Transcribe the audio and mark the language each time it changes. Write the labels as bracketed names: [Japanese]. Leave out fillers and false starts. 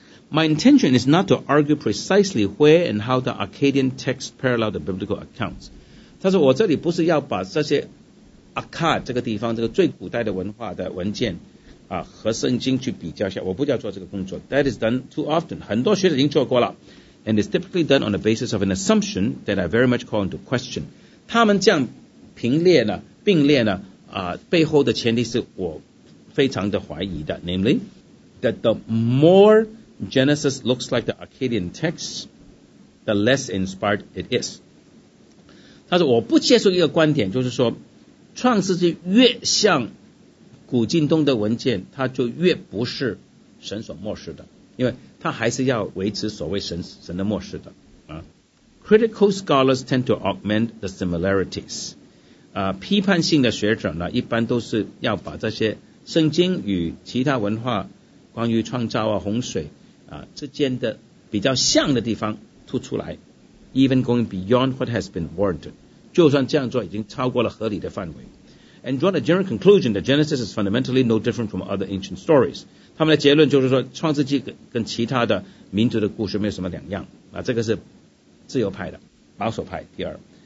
[English] My intention is not to argue precisely where and how the Akkadian text parallel the biblical accounts. [Chinese] 他说我这里不是要把这些 Akkad 这个地方这个最古代的文化的文件啊和圣经去比较一下，我不要做这个工作。 [English] That is done too often. [Chinese] 很多学者已经做过了 [English] ，and is typically done on the basis of an assumption that I very much call into question. [Chinese] 他们这样平列呢并列呢啊背后的前提是我非常的怀疑的 ， [English] namely that the more Genesis looks like the Akkadian text, [Chinese] the less inspired it is. 他说我不接受一个观点，就是说创世纪越像古近东的文件，它就越不是神所漠视的，因为它还是要维持所谓神的漠视的。 [English] Critical scholars tend to augment the similarities. [Chinese] 批判性的学者呢，一般都是要把这些圣经与其他文化关于创造啊、洪水啊之间的比较像的地方突出来， [English] even going beyond what has been warranted. [Chinese] 就算这样做已经超过了合理的范围。 [English] And draw a general conclusion that Genesis is fundamentally no different from other ancient stories. [Chinese] 他们的结论就是说，创世纪跟其他的民族的故事没有什么两样。啊，这个是自由派的，保守派第二。